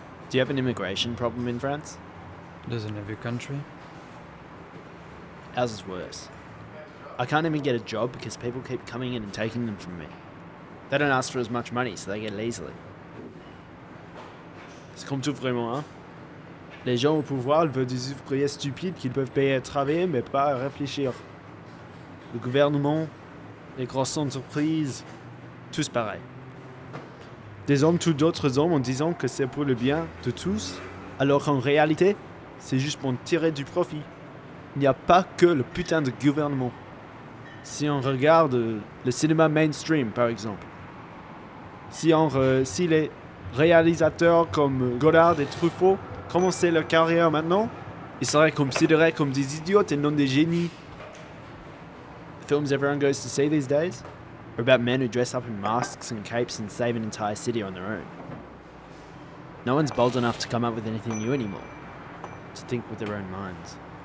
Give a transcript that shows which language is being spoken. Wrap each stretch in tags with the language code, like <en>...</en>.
<en>Do you have an immigration problem in France? There's in every country. Ours is worse. I can't even get a job because people keep coming in and taking them from me. They don't ask for as much money, so they get it easily.</en> <fr>C'est comme tout vraiment, hein? Les gens au pouvoir veulent des ouvriers stupides qu'ils peuvent payer à travailler mais pas à réfléchir. Le gouvernement, les grosses entreprises, tous pareils. Des hommes tuent d'autres hommes en disant que c'est pour le bien de tous, alors qu'en réalité, c'est juste pour en tirer du profit. Il n'y a pas que le putain de gouvernement. Si on regarde le cinéma mainstream, par exemple, si les réalisateurs comme Godard et Truffaut commencer leur carrière maintenant, ils seraient considérés comme des idiots et non des génies.</fr> <en>The films everyone goes to see these days are about men who dress up in masks and capes and save an entire city on their own. No one's bold enough to come up with anything new anymore. To think with their own minds.</en>